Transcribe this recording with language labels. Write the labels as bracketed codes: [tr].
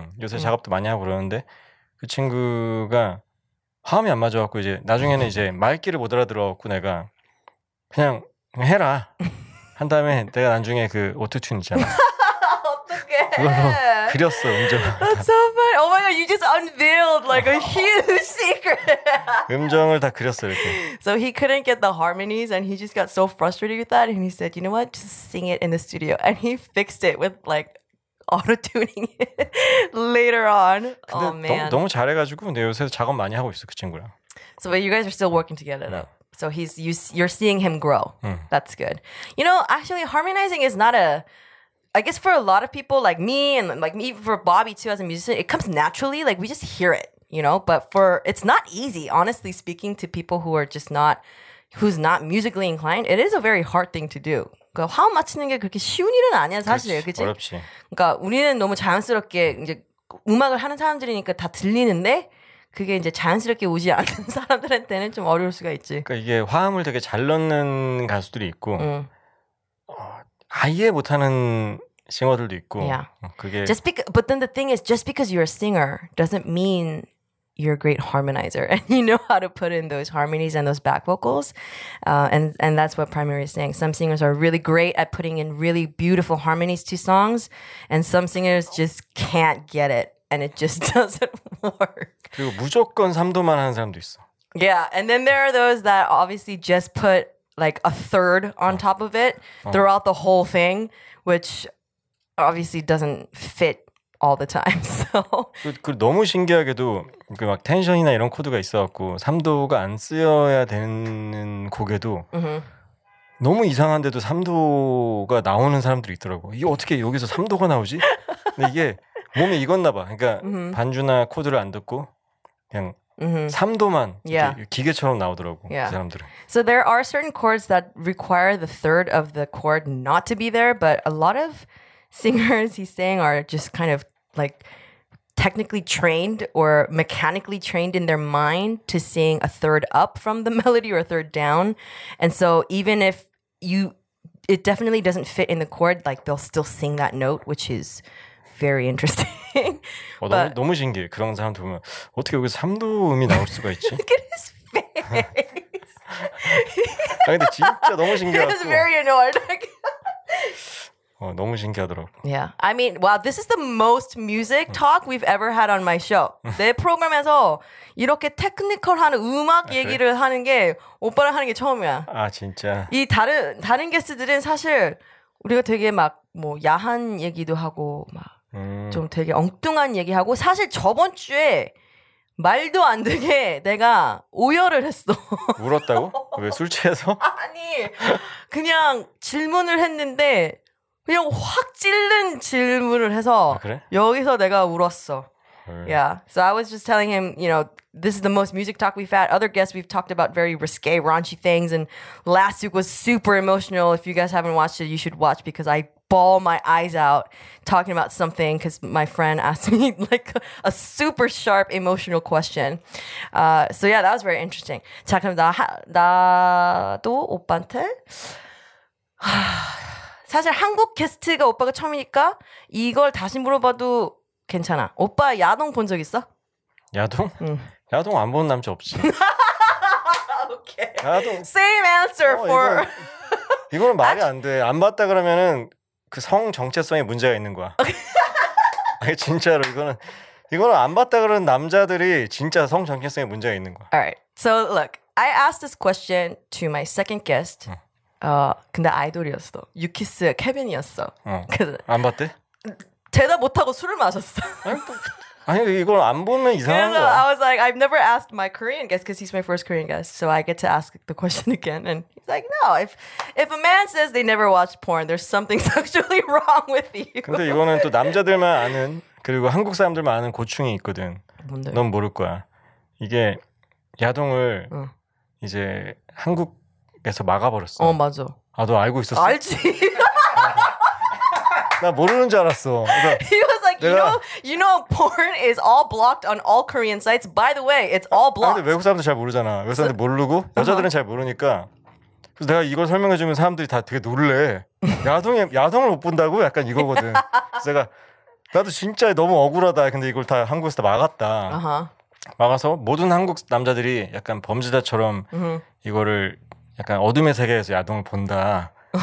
[ko] 요새 작업도 많이 하고 그러는데 그 친구가 화음이 안 맞아갖고 이제 나중에는 이제 마이크를 못 알아들어갖고 내가 그냥 해라 한 다음에 내가 나중에 그 오토튠 있잖아 어떡해 그걸로 그렸어 음정 [en] That's so funny Oh my god you just unveiled like a huge secret [ko] 음정을 다 그렸어 이렇게 [en] So he couldn't get the harmonies and he just got so frustrated with that and he said you know what just sing it in the studio and he fixed it with like auto-tuning later on. Oh man. [ko] 너무 잘해가지고 근데 요새도 작업 많이 하고 있어 그 친구랑. [en] So but you guys are still working together though. So he's you're seeing him grow. That's good. You know, actually, harmonizing is not a. I guess for a lot of people like me and like me for Bobby too as a musician, it comes naturally. Like we just hear it, you know. But for it's not easy, honestly speaking, to people who are just not who's not musically inclined. It is a very hard thing to do. [ko] 그러니까 화음 맞추는 게 그렇게 쉬운 일은 아니야 사실 그렇지? 어렵지 그러니까 우리는 너무 자연스럽게 이제 음악을 하는 사람들이니까 다 들리는데 그게 이제 자연스럽게 오지 않는 사람들한테는 좀 어려울 수가 있지 그러니까 이게 화음을 되게 잘 넣는 가수들이 있고 아예 못하는 싱어들도 있고 [en] yeah. [ko] 그게 [en] just because, But then the thing is just because you're a singer doesn't mean you're a great harmonizer and you know how to put in those harmonies and those back vocals and that's what Primary is saying some singers are really great at putting in really beautiful harmonies to songs and some singers just can't get it and it just doesn't work [ko] 그리고 무조건 3도만 하는 사람도 있어 [en] yeah and then there are those that obviously just put like a third on top of it throughout the whole thing which obviously doesn't fit all the time. So [ko] 그 너무 신기하게도 그 막 텐션이나 이런 코드가 있어 갖고 3도가 안 쓰여야 되는 곡에도 너무 이상한데도 3도가 나오는 사람들이 있더라고. 이게 어떻게 여기서 3도가 나오지? 근데 이게 몸이 익었나 봐. 그러니까 반주나 코드를 안 듣고 그냥 3도만 기계처럼 나오더라고. [en] Yeah. [ko] 그 사람들은. [en] So there are certain chords that require the third of the chord not to be there, but a lot of singers he's saying are just kind of like technically trained or mechanically trained in their mind to sing a third up from the melody or a third down and so even if you it definitely doesn't fit in the chord like they'll still sing that note which is very interesting [ko] 어, but, 너무, 너무 신기해 그런 사람 보면 어떻게 여기서 3도 음이 나올 수가 있지 [en] look at his face [ko] 아니, 근데 진짜 너무 신기해 [en] he is very annoyed [ko] 어, 너무 신기하더라고. [en] Yeah. I mean, wow, this is the most music talk we've ever had on my show. [ko] 내 프로그램에서 이렇게 테크니컬한 음악 얘기를 하는 게 오빠랑 하는 게 처음이야. 아, 진짜. 이 다른 게스트들은 사실 우리가 되게 막 뭐 야한 얘기도 하고 막 좀 되게 엉뚱한 얘기하고 사실 저번 주에 말도 안 되게 내가 오열을 했어. 울었다고? 왜 술 취해서? 아니. 그냥 질문을 했는데 그냥 확 찔른 질문을 해서 아, 그래? 여기서 내가 울었어. Yeah. [en] So I was just telling him, you know, this is the most music talk we've had. Other guests we've talked about very risque, raunchy things. And last week was super emotional. If you guys haven't watched it, you should watch because I bawl my eyes out talking about something because my friend asked me like a super sharp emotional question. So yeah, that was very interesting. [ko] 자, 그럼 나도 오빠한테 사실 한국 게스트가 오빠가 처음이니까 이걸 다시 물어봐도 괜찮아. 오빠 야동 본 적 있어? 야동? 야동 안 본 남자 없지. [en] Okay. 야동. Same answer for. [ko] 이거는 말이 안 돼. 안 봤다 그러면은 그 성 정체성에 문제가 있는 거야. 아니 진짜로 이거는 안 봤다 그러는 남자들이 진짜 성 정체성에 문제가 있는 거야. [en] Alright, so look, I asked this question to my second guest. [ko] 근데 아이돌이었어. 유키스 케빈이었어. 안 봤대? 대답 못 하고 술을 마셨어. 아니 이걸 안 보면 이상한 거야. [en] I was like, I've never asked my Korean guest because he's my first Korean guest, so I get to ask the question again. And he's like, no, if a man says they never watched porn, there's something sexually wrong with you. [ko] 근데 이거는 또 남자들만 아는 그리고 한국 사람들만 아는 고충이 있거든. 뭔데? 넌 모를 거야. 이게 야동을 이제 한국에서 막아버렸어. 맞아. 아, 너 알고 있었어? 알지. 나 모르는 줄 알았어. [en] 그러니까 You know, porn is all blocked on all Korean sites. By the way, it's all blocked. [ko] 근데 외국 사람들 잘 모르잖아. 외국 사람들 모르고 여자들은 잘 모르니까. 그래서 내가 이걸 설명해 주면 사람들이 다 되게 놀래. 야동을 못 본다고? 약간 이거거든. 그래서 내가 나도 진짜 너무 억울하다. 근데 이걸 다 한국에서 다 막았다. 막아서 모든 한국 남자들이 약간 범죄자처럼 이거를 약간 어둠의 세계에서 야동을 본다.